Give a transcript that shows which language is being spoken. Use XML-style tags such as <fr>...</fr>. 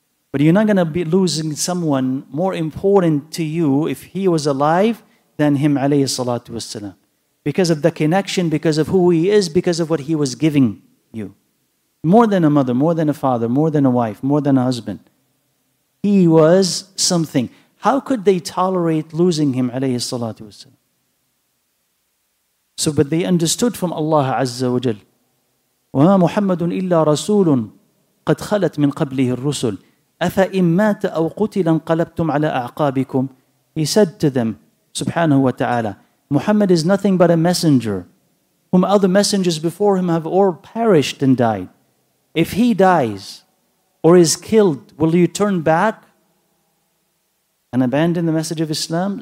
<en>But you're not going to be losing someone more important to you if he was alive than him, alayhi salatu wasalam. Because of the connection, because of who he is, because of what he was giving you. More than a mother, more than a father, more than a wife, more than a husband. He was something. How could they tolerate losing him alayhi salatu wasalam? So, but they understood from Allah Azza wa Jal,</en> <ar>وَمَا مُحَمَّدٌ إِلَّا رَسُولٌ قَدْ خَلَتْ مِنْ قَبْلِهِ الرُّسُلُ أَفَإِنْ مَاتَ أَوْ قُتِلَ انْقَلَبْتُمْ عَلَىٰ أَعْقَابِكُمْ.</ar> <en>He said to them, subhanahu wa ta'ala, Muhammad is nothing but a messenger whom other messengers before him have all perished and died. If he dies or is killed, will you turn back and abandon the message of Islam?</en>